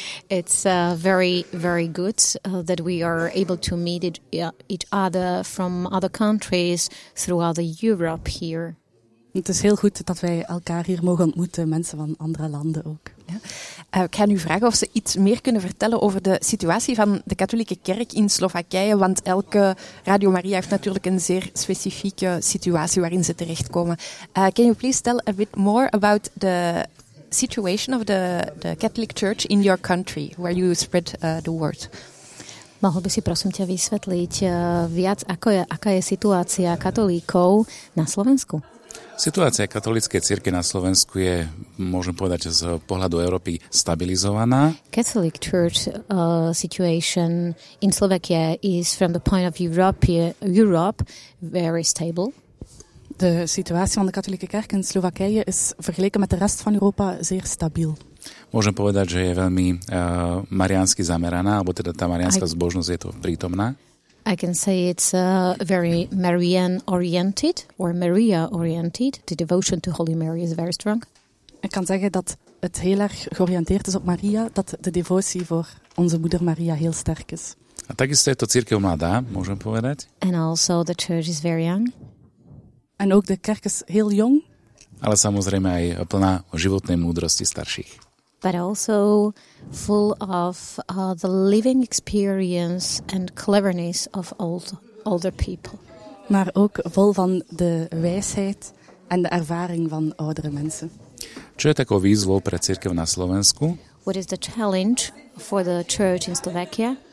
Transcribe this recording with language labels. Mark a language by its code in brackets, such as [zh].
[en] It's very, very good that we are able to meet each other from other countries throughout the Europe here. [nl] Het is heel goed dat wij elkaar hier mogen ontmoeten, mensen van andere landen ook. Ja. Ik ga nu vragen of ze iets meer kunnen vertellen over de situatie van de katholieke kerk in Slowakije, want elke Radio Maria heeft natuurlijk een zeer specifieke situatie waarin ze terechtkomen. [en] Can you please tell a bit more about the situation of the Catholic Church in your country, where you spread the word. [sk] Mohol by si prosím ťa vysvetliť viac, aká je situácia katolíkov na Slovensku? Situácia katolíckej cirkvi na Slovensku je, môžem povedať, z pohľadu Európy stabilizovaná. [en] Catholic Church situation in Slovakia is from the point of Europe very stable. [nl] De situatie van de katholieke kerk in Slowakije is vergeleken met de rest van Europa zeer stabiel. [sk] Môžem povedať, že je veľmi mariánsky zameraná, alebo teda tá mariánska zbožnosť je tu prítomná. [en] I can say it's very Marian oriented or Maria oriented. The devotion to Holy Mary is very strong. [nl] Ik kan zeggen dat het heel erg georiënteerd is op Maria, dat de devotie voor onze moeder Maria heel sterk is. [sk] A takisto je to cirkev mladá, môžem povedať. [en] And also the church is very young. [nl] En ook de kerk is heel jong. [sk] ale samozrejme aj plná životnej múdrosti starších. [en] But also full of the living experience and cleverness of older people. [nl] Maar ook vol van de wijsheid en de ervaring van oudere mensen. [sk] Čo je takou výzvou pre cirkev na Slovensku? [en] What is the challenge for the church in Slovakia?